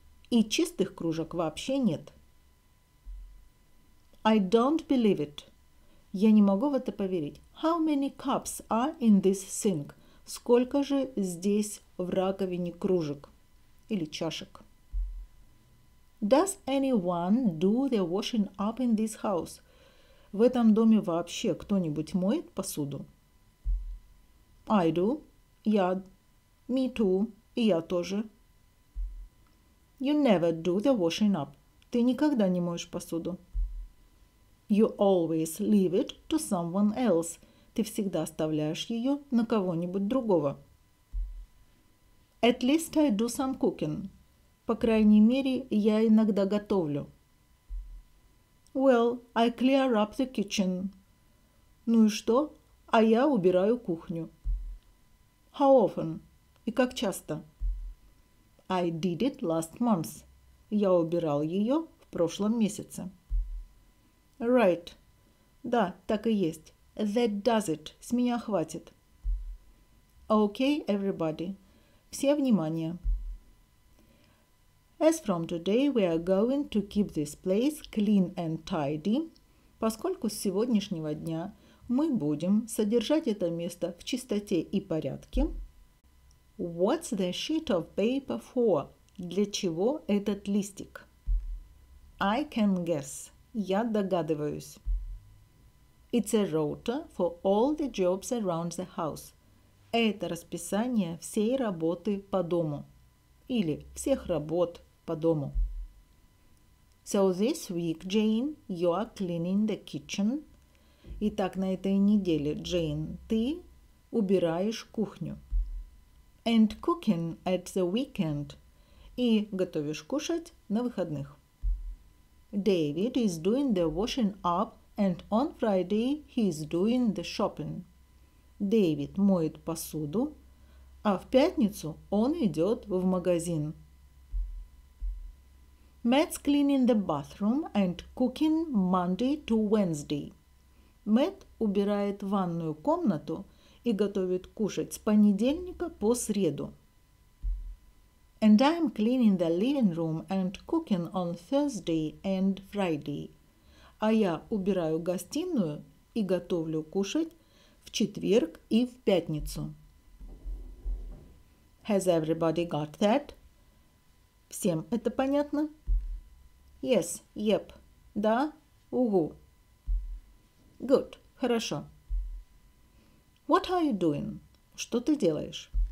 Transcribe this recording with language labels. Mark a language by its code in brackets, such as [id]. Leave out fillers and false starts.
[ru] И чистых кружек вообще нет. [en] I don't believe it. [ru] Я не могу в это поверить. [en] How many cups are in this sink? [ru] Сколько же здесь в раковине кружек или чашек? [en] Does anyone do the washing up in this house? [ru] В этом доме вообще кто-нибудь моет посуду? [en] I do. [ru] Я. [en] Me too. [ru] И я тоже. [en] You never do the washing up. [ru] Ты никогда не моешь посуду. [en] You always leave it to someone else. [ru] Ты всегда оставляешь ее на кого-нибудь другого. [en] At least I do some cooking. [ru] По крайней мере, я иногда готовлю. [en] Well, I clear up the kitchen. [ru] Ну и что? А я убираю кухню. [en] How often? [ru] И как часто? [en] I did it last month. [ru] Я убирал ее в прошлом месяце. [en] Right. [ru] Да, так и есть. [en] That does it. [ru] С меня хватит. [en] Okay, everybody. [ru] Все внимание. [en] As from today, we are going to keep this place clean and tidy. [ru] Поскольку с сегодняшнего дня мы будем содержать это место в чистоте и порядке. [en] What's the sheet of paper for? [ru] Для чего этот листик? [en] I can guess. [ru] Я догадываюсь. [en] It's a rota for all the jobs around the house. [ru] Это расписание всей работы по дому. Или всех работ по дому. [en] So this week, Jane, you are cleaning the kitchen. [ru] Итак, на этой неделе, Джейн, ты убираешь кухню. [en] And cooking at the weekend. [ru] И готовишь кушать на выходных. [en] David is doing the washing up and on Friday he is doing the shopping. [ru] Дэвид моет посуду, а в пятницу он идет в магазин. [en] Matt's cleaning the bathroom and cooking Monday to Wednesday. [ru] Matt убирает ванную комнату и готовит кушать с понедельника по среду. [en] And I'm cleaning the living room and cooking on Thursday and Friday. [ru] А я убираю гостиную и готовлю кушать в четверг и в пятницу. [en] Has everybody got that? [ru] Всем это понятно? [en] Yes, yep. [ru] Да, угу. [en] Good, [ru] хорошо. [en] What are you doing? [ru] Что ты делаешь?